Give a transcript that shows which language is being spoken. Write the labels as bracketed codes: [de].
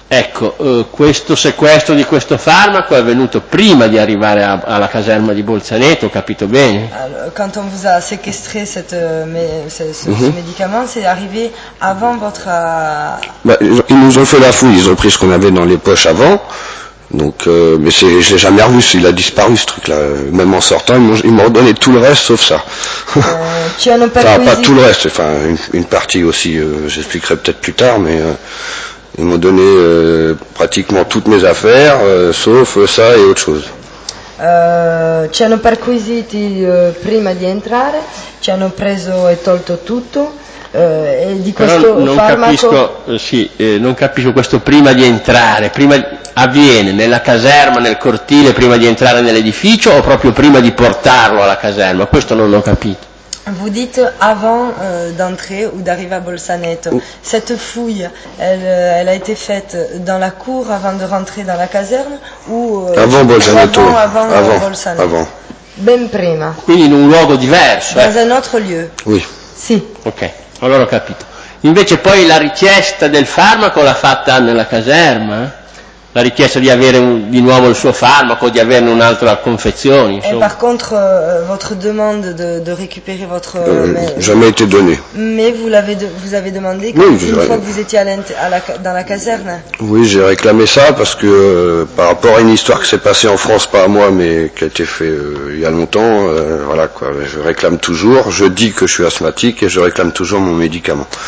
[it] Ecco, questo sequestro di questo farmaco è avvenuto prima di arrivare alla caserma di Bolzaneto, ho capito bene? [fr] Allora, quand on vous a séquestré ce médicament, c'est arrivé avant votre... Beh, ils nous ont fait la fouille, ils ont pris ce qu'on avait dans les poches avant, donc, mais c'est, je l'ai jamais revu, il a disparu ce truc-là, même en sortant, ils m'ont redonné tout le reste sauf ça. pas tout le reste, enfin, une partie aussi, j'expliquerai peut-être plus tard, mais... Ils m'ont donné pratiquement toutes mes affaires, sauf ça et autre chose. [it] Ci hanno perquisiti prima di entrare, ci hanno preso e tolto tutto, e di questo però non farmaco... non capisco questo prima di entrare, prima avviene nella caserma, nel cortile, prima di entrare nell'edificio o proprio prima di portarlo alla caserma? Questo non l'ho capito. [fr] Vous dites avant d'entrer ou d'arriver à Bolzaneto. Cette fouille, elle a été faite dans la cour avant de rentrer dans la caserne ou avant Bolzaneto? Avant Bolzaneto. Avant. [it] Ben prima. Quindi in un luogo diverso. [fr] Dans un autre lieu. Oui. [it] Si. Ok, allora ho capito. Invece poi la richiesta del farmaco l'ha fatta nella caserma? La richiesta di avere di nuovo il suo farmaco, di averne un altro a confezioni. [fr] E par contre, votre demande de récupérer votre. Jamais été donné. Mais vous avez demandé une fois que vous étiez dans la caserne. Oui, j'ai réclamé ça parce que par rapport à une histoire qui s'est passée en France, pas à moi, mais qui a été fait il y a longtemps, voilà quoi, je réclame toujours, je dis que je suis asthmatique et je réclame toujours mon médicament.